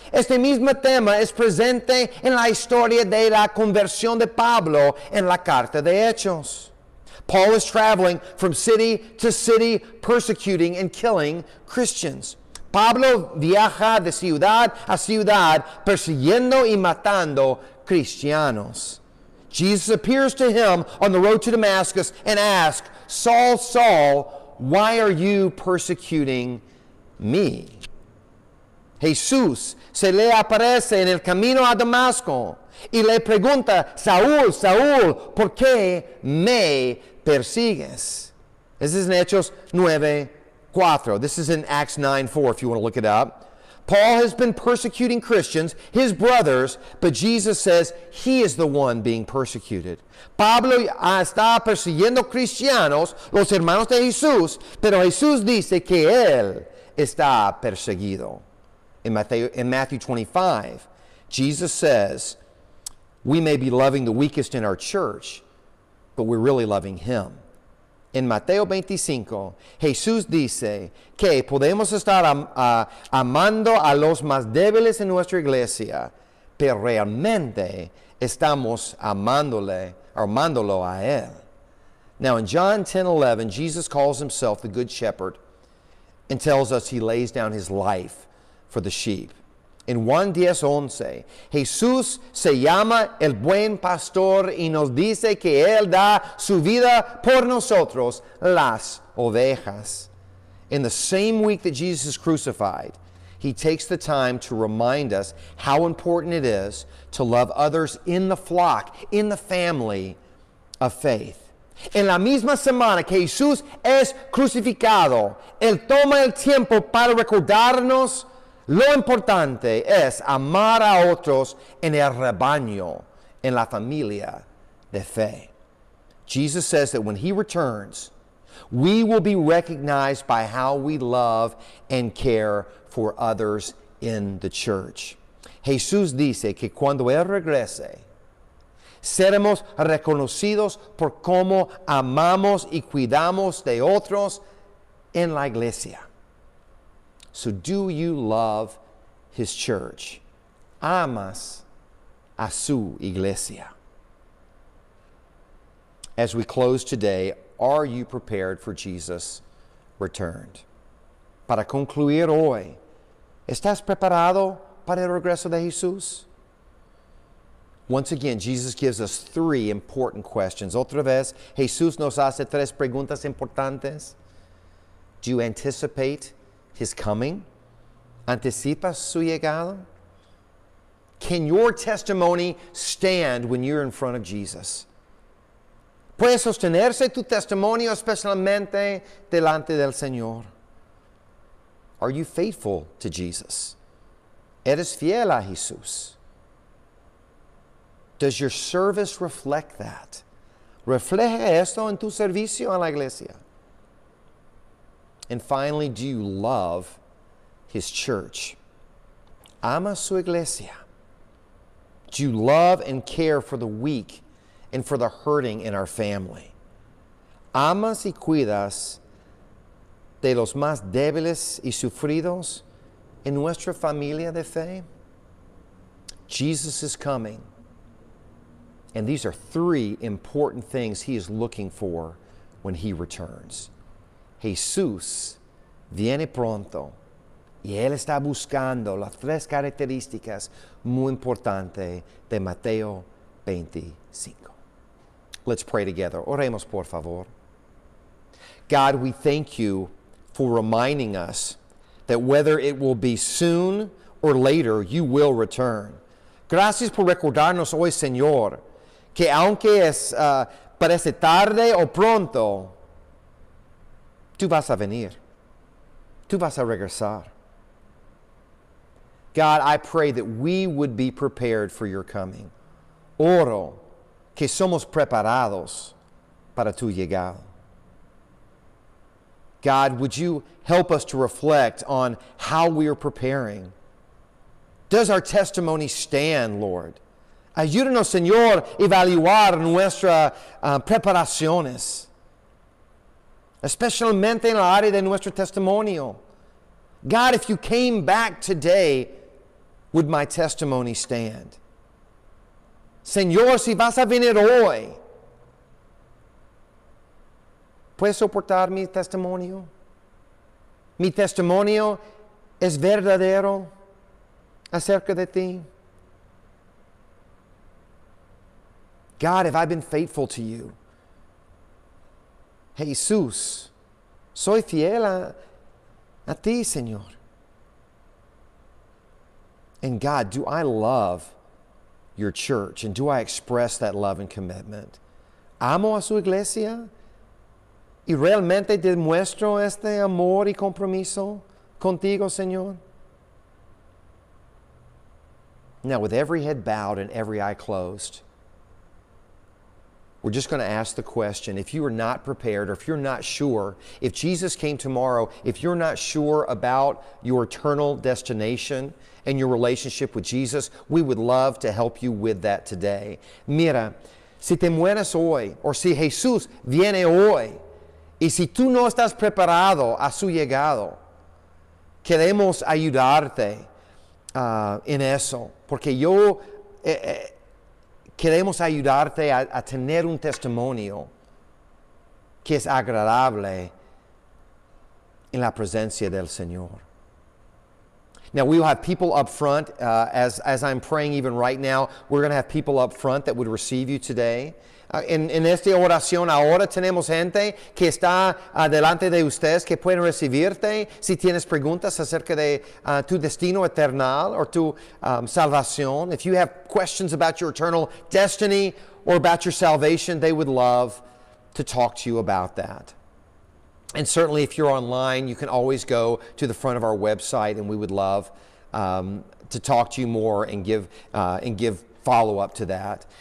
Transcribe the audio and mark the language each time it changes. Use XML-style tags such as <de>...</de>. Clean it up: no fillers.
<es>Este mismo tema es presente en la historia de la conversión de Pablo en la carta de Hechos.</es> <en>Paul is traveling from city to city, persecuting and killing Christians.</en> <es>Pablo viaja de ciudad a ciudad, persiguiendo y matando cristianos.</es> <en>Jesus appears to him on the road to Damascus and asks, "Saul, Saul, why are you persecuting me?"</en> <es>Jesús se le aparece en el camino a Damasco y le pregunta, "Saúl, Saúl, ¿por qué me persigues?"</es> <en>This is in Hechos 9:4. This is in Acts 9:4 if you want to look it up. Paul has been persecuting Christians, his brothers, but Jesus says he is the one being persecuted.</en> <es>Pablo está persiguiendo cristianos, los hermanos de Jesús, pero Jesús dice que él está perseguido.</es> <en>In Matthew 25, Jesus says, we may be loving the weakest in our church, but we're really loving him.</en> <es>In Mateo 25, Jesús dice que podemos estar amando a los más débiles en nuestra iglesia, pero realmente estamos amándolo a él.</es> <en>Now, in John 10:11, Jesus calls himself the good shepherd and tells us he lays down his life for the sheep.</en> <es>In Juan 10:11, Jesús se llama el buen pastor y nos dice que él da su vida por nosotros, las ovejas.</es> <en>In the same week that Jesus is crucified, he takes the time to remind us how important it is to love others in the flock, in the family of faith.</en> <es>En la misma semana que Jesús es crucificado, él toma el tiempo para recordarnos lo importante es amar a otros en el rebaño, en la familia de fe.</es> <en>Jesus says that when he returns, we will be recognized by how we love and care for others in the church.</en> <es>Jesús dice que cuando él regrese, seremos reconocidos por cómo amamos y cuidamos de otros en la iglesia.</es> <en>So do you love his church?</en> <es>Amas a su iglesia?</es> <en>As we close today, are you prepared for Jesus' return?</en> <es>Para concluir hoy, ¿estás preparado para el regreso de Jesús?</es> <en>Once again, Jesus gives us three important questions.</en> <es>Otra vez, Jesús nos hace tres preguntas importantes.</es> <en>Do you anticipate his coming?</en> <es>Anticipa su llegada?</es> <en>Can your testimony stand when you're in front of Jesus?</en> <es>¿Puede sostenerse tu testimonio especialmente delante del Señor?</es> <en>Are you faithful to Jesus?</en> <es>¿Eres fiel a Jesús?</es> <en>Does your service reflect that?</en> <es>¿Refleja esto en tu servicio a la iglesia?</es> <en>And finally, do you love his church?</en> <es>Ama su iglesia.</es> <en>Do you love and care for the weak and for the hurting in our family?</en> <es>Amas y cuidas de los más débiles y sufridos en nuestra familia de fe?</es> <en>Jesus is coming. And these are three important things he is looking for when he returns.</en> <es>Jesús viene pronto y él está buscando las tres características muy importantes de Mateo 25.</es> <en>Let's pray together.</en> <es>Oremos, por favor.</es> <en>God, we thank you for reminding us that whether it will be soon or later, you will return.</en> <es>Gracias por recordarnos hoy, Señor, que aunque parece tarde o pronto, tú vas a venir. Tú vas a regresar.</es> <en>God, I pray that we would be prepared for your coming.</en> <es>Oro que somos preparados para tu llegada.</es> <en>God, would you help us to reflect on how we are preparing? Does our testimony stand, Lord,</en> <es>Ayúdanos, Señor, evaluar nuestras preparaciones. Especialmente en la área de nuestro testimonio.</es> <en>God, if you came back today, would my testimony stand?</en> <es>Señor, si vas a venir hoy, ¿puedes soportar mi testimonio? ¿Mi testimonio es verdadero acerca de ti?</es> <en>God, have I been faithful to you?</en> <es>Jesús, soy fiel a ti, Señor.</es> <en>And God, do I love your church? And do I express that love and commitment?</en> <es>¿Amo a su iglesia? ¿Y realmente demuestro este amor y compromiso contigo, Señor?</es> <en>Now, with every head bowed and every eye closed, we're just going to ask the question, if you are not prepared or if you're not sure, if Jesus came tomorrow, if you're not sure about your eternal destination and your relationship with Jesus, we would love to help you with that today.</en> <es>Mira, si te mueres hoy, o si Jesús viene hoy, y si tú no estás preparado a su llegado, queremos ayudarte en eso, porque yo... Queremos ayudarte a tener un testimonio que es agradable en la presencia del Señor.</es> <en>Now, we will have people up front, as I'm praying even right now, we're going to have people up front that would receive you today.</en> <es>En esta oración, ahora tenemos gente que está delante de ustedes que pueden recibirte si tienes preguntas acerca de tu destino eterno o tu salvación.</es> <en>If you have questions about your eternal destiny or about your salvation, they would love to talk to you about that. And certainly, if you're online, you can always go to the front of our website, and we would love to talk to you more and give follow-up to that.</en>